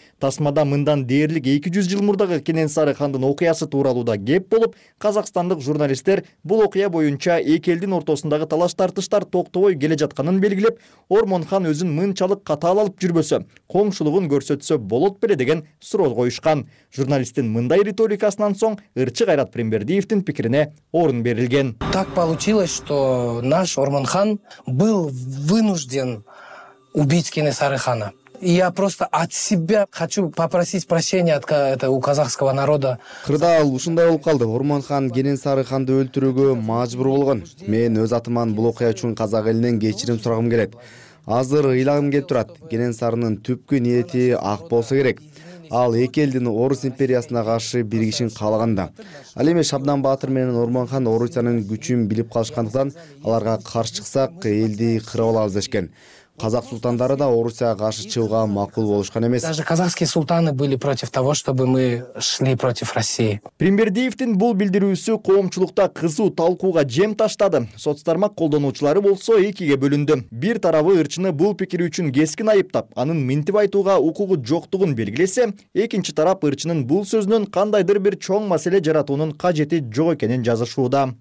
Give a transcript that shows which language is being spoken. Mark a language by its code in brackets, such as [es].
[ky] Тасмада мындан дээрлик 200 жыл мурда Кененсары хандын окуясы тууралуу да кеп болуп, казакстандык журналисттер бул окуя боюнча эки элдин ортосундагы талаш тартыштар токтобой келе жатканын белгилеп, Ормонхан өзүн мынчалык катаал алып жүрбөсө, коомчулугун көрсөтсө болот беле деген суроо коюшкан. Журналисттин мындай риторикасынан соң ырчы Кайрат Примбердиевдин пикирине орун берилген. [ru] Так получилось, что наш Ормонхан был вынужден убить Кененсары хана. Я просто от себя хочу попросить прощения от этого у казахского народа. [ky] Кырдаал ушундай болуп калды. Ормонхан Кененсары ханды өлтүрүүгө мажбур болгон. Мен өз атыман бул окуя үчүн казак элинен кечирим сурагым келет. Азыр ыйлагым келип турат. Кененсарынын түпкү ниети ак болсо керек. Ал эки элдин Орус империясына каршы биригишин каалаганда. Ал эми Шабдан Баатыр менен Ормонхан Орусиянын күчүн билип калышкандыктан аларга каршы чыксак элди кырып алабыз дешкен. Казак султандары да Орусияга каршы чыгууга макул болушкан эмес. [ru] Даже казахские султаны были против того, чтобы мы шли против России. [ky] Примбердиевдин бул билдирүүсү коомчулукта кызуу талкууга жем таштады. Соцтармак колдонуучулары болсо экиге бөлүндү. Бир тарабы ырчыны бул пикири үчүн кескин айыптап, анын минтип айтууга укугу жоктугун белгилесе, экинчи тарап ырчынын бул сөзүнөн кандайдыр бир чоң маселе жаратуунун кажети жок экенин жазышууда.